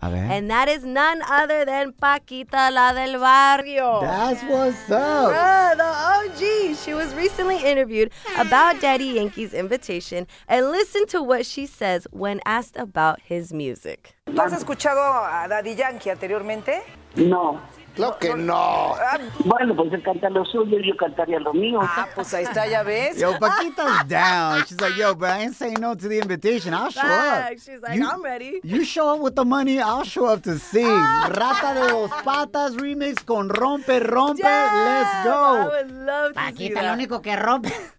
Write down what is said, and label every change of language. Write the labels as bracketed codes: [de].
[en] And that is none other than Paquita La del Barrio. That's what's up. The OG. She was recently interviewed about Daddy Yankee's invitation, and listen to what she says when asked about his music. [es] ¿Has escuchado a Daddy Yankee anteriormente? No. Claro que no. Bueno, pues él canta lo suyo y yo cantaría lo mío. Ah, pues ahí está, ya ves. [en] Yo, Paquita's down. She's like, yo, but I ain't saying no to the invitation. I'll show up. She's like, I'm ready. You show up with the money, I'll show up to sing. [es] Rata de dos patas remix con Rompe Rompe. [en] Damn, let's go. I would love to Paquita, see that. [es] Lo único que rompe.